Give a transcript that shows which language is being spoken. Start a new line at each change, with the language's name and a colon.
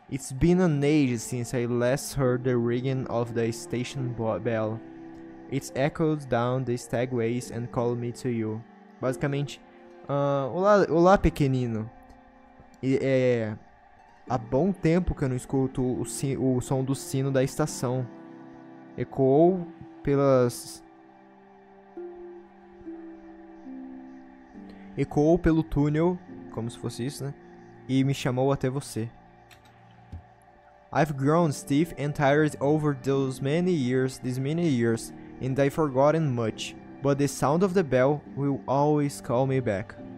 English: It's been an age since I last heard the ringing of the station bell. It's echoed down the stagways and called me to you.
Portuguese: Basicamente, olá pequenino. É há bom tempo que eu não escuto o som do sino da estação. Ecoou pelas... Ecoou pelo túnel, como se fosse isso, né? E me chamou até você.
English: I've grown stiff and tired over those many years, and I've forgotten much. But the sound of the bell will always call me back.